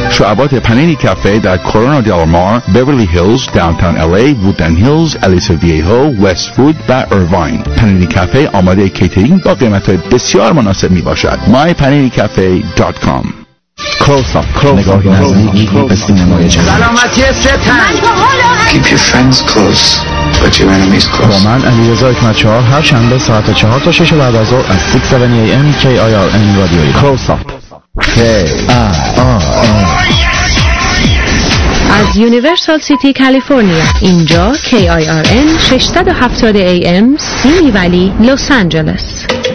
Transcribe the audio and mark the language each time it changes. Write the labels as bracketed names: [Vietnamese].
[Persian] شعبات پنینی کافه در کورونا دل مار، بیورلی هیلز، داونتاون ال ای، وودن هیلز، الیسو ویهو، وست وود و ایروین. پنینی کافه آماده کیترینگ با قیمت‌های بسیار مناسب می باشد. [English] mypaninicafe.com Close up. [Persian] نگاهی نزدیک به سینمای جهان. سلامتی ستن. [English] Keep your friends close, but your enemies close. [Persian] با من علیرضا حکمت‌چهار هر شنبه ساعت 4 تا 6 بعد از ظهر از 670 AM KIRN رادیوی [English] Close up. K-I-R-N. [Persian] از یونیورسال سیتی کالیفرنیا. اینجا KIRN 670 AM سیمی ولی لس آنجلس.